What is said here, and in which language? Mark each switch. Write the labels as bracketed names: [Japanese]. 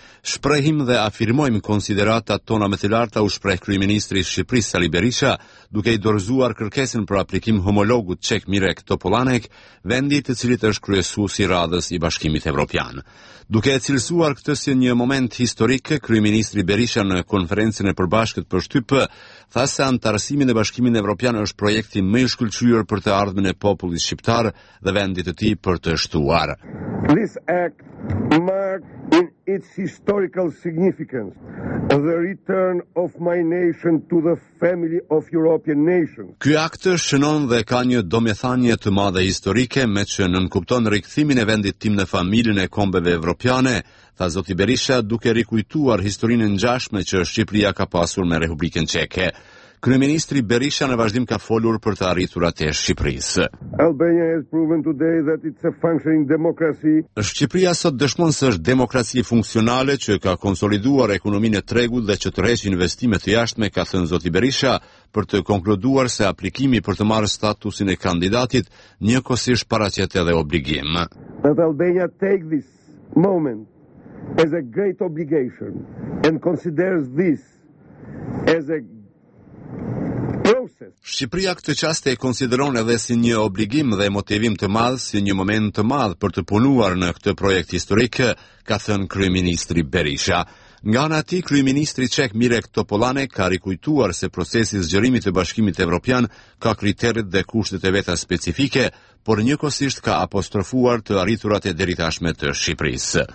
[Albanian] Shprehim dhe afirmojmë konsideratat tona më të larta u shpreh kryeministri i Shqipërisë Sali Berisha, duke i dorëzuar kërkesën për aplikim homologut çek Mirek Topolanek, vendi i të cilit është kryesuesi i radhës i Bashkimit Evropian. Duke e cilësuar këtë si një moment historik, kryeministri Berisha në konferencën e përbashkët për shtyp tha se antarësimin e Bashkimin Evropian është projekti më i shkëlqyer për të ardhmen e popullit shqiptar dhe vendit të tij për të shtuar. [English] This act marked in its historical significance the return of my nation to the family of European nations. [Albanian] Ky akt shënon dhe ka një domethënie të madhe historike, me që nënkupton rikthimin e vendit tim në familjen e kombeve evropiane, tha zoti Berisha, duke rikujtuar historinë ngjashme që Shqipëria ka pasur me Republikën Çeke. Kryeministri Berisha në vazhdim ka folur për të arritur atë Shqipërisë. [English] Albania has proven today that it's a functioning democracy. [Albanian] Shqipëria sot dëshmon se është demokraci funksionale që ka konsoliduar ekonominë e tregut dhe që tërheq investime të jashtme, ka thënë zoti Berisha, për të konkluduar se aplikimi për të marrë statusin e kandidatit njëkohësisht paraqet edhe obligim. [English] That Albania take this moment as a great obligation and considers this as a process. [Albanian] Shqipëria këtë çast e konsideron edhe si një obligim dhe motivim të madh, si një moment të madh për të punuar në këtë projekt historik, ka thënë kryeministri Berisha. Nga ana e tij, kryeministri çek Mirek Topolanek ka rikujtuar se procesi i zgjerimit të Bashkimit Evropian ka kriteret dhe kushtet e veta specifike, por njëkohësisht ka apostrofuar të arriturat e deritashme të Shqipërisë.